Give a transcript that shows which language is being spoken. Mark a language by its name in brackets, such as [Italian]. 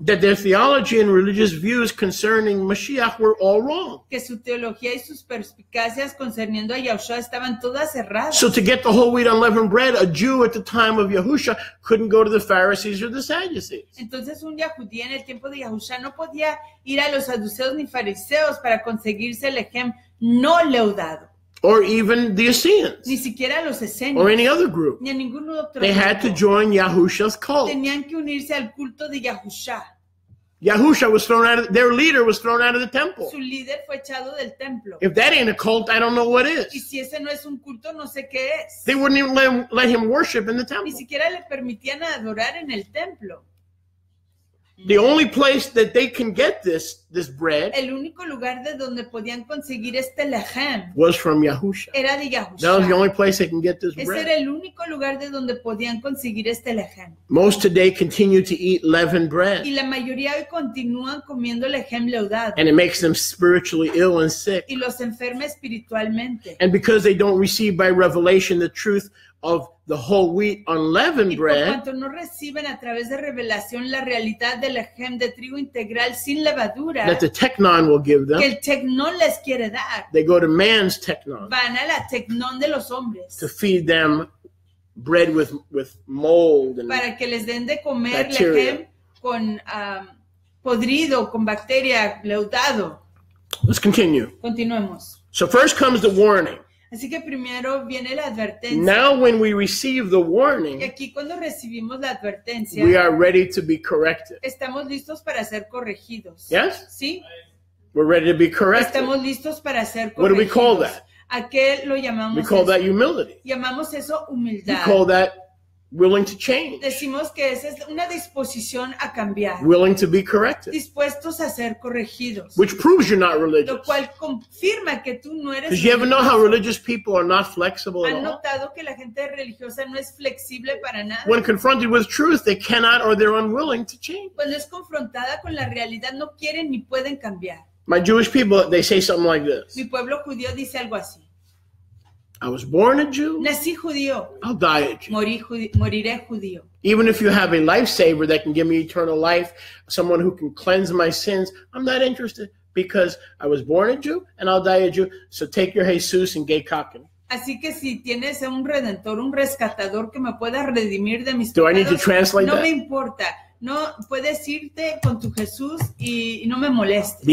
[English] That their theology and religious views concerning Mashiach were all wrong. [Spanish] Que su teología y sus perspicacias concerniendo a Yahushua estaban todas erradas. [English] So to get the whole wheat unleavened bread, a Jew at the time of Yahushua couldn't go to the Pharisees or the Sadducees. [Spanish] Entonces un yahudí en el tiempo de Yahushua no podía ir a los saduceos ni fariseos para conseguirse el lechem no leudado. [English] Or even the Essenes. [Spanish] Ni siquiera los Essenes. [English] Or any other group. [Spanish] Ni a ningún otro grupo. [English] They had to join Yahusha's cult. [Spanish] Tenían que unirse al culto de Yahusha. [English] Yahusha was thrown out of, their leader was thrown out of the temple. [Spanish] Su líder fue echado del templo. [English] If that ain't a cult, I don't know what is. [Spanish] Y si ese no es un culto, no sé qué es. [English] They wouldn't even let him worship in the temple. [Spanish] Ni siquiera le permitían adorar en el templo. [English] The only place that they can get this bread [Spanish] el único lugar de donde podían conseguir este lechem [English] was from Yahusha. [Spanish] Era de Yahusha. [English] That was the only place they can get this bread. [Spanish] Ese era el único lugar de donde podían conseguir este lechem. [English] Most today continue to eat leavened bread. [Spanish] Y la mayoría hoy continúan comiendo lechem leudado. [English] And it makes them spiritually ill and sick. [Spanish] Y los enferma espiritualmente. [English] And because they don't receive by revelation the truth of the whole wheat unleavened bread. [Spanish] Y por cuanto no reciben a través de revelación la realidad del lechem de trigo integral sin levadura. [English] That the technon will give them. [Spanish] Que el technon les quiere dar. [English] They go to man's technon. [Spanish] Van a la technon de los hombres. [English] To feed them bread with mold and [Spanish] para que les den de comer lechem con podrido, con bacteria, leudado. [English] Let's continue. [Spanish] Continuemos. [English] So first comes the warning. [Spanish] Así que primero viene la advertencia. [English] Now when we receive the warning, [Spanish] y aquí cuando recibimos la advertencia, [English] we are ready to be corrected. [Spanish] Estamos listos para ser corregidos. [English] Yes? [Spanish] Sí. [English] We're ready to be corrected. [Spanish] Estamos listos para ser corregidos. [English] What do we call that? [Spanish] ¿A qué lo llamamos [English] we call [Spanish] eso? [English] That humility. [Spanish] Llamamos eso humildad. [English] We call that willing to change. [Spanish] Decimos que esa es una disposición a cambiar. [English] Willing to be corrected. [Spanish] Dispuestos a ser corregidos. [English] Which proves you're not religious. [Spanish] Lo cual confirma que tú no eres. [English] Because you ever know how religious people are not flexible at all? [Spanish] ¿Han notado que la gente religiosa no es flexible para nada? [English] When confronted with truth, they cannot or they're unwilling to change. [Spanish] Cuando es confrontada con la realidad, no quieren ni pueden cambiar. [English] My Jewish people, they say something like this. [Spanish] Mi pueblo judío dice algo así. [English] I was born a Jew. [Spanish] Nací judío. [English] I'll die a Jew. [Spanish] Moriré judío. [English] Even if you have a lifesaver that can give me eternal life, someone who can cleanse my sins, I'm not interested because I was born a Jew and I'll die a Jew. So take your Jesus and gay cocking. [Spanish] Así que si tienes un redentor, un rescatador que me pueda redimir de mis pecados, [English] do I need to translate [Spanish] no [English] that? [Spanish] Me importa. No puedes irte con tu Jesús y no me molestes.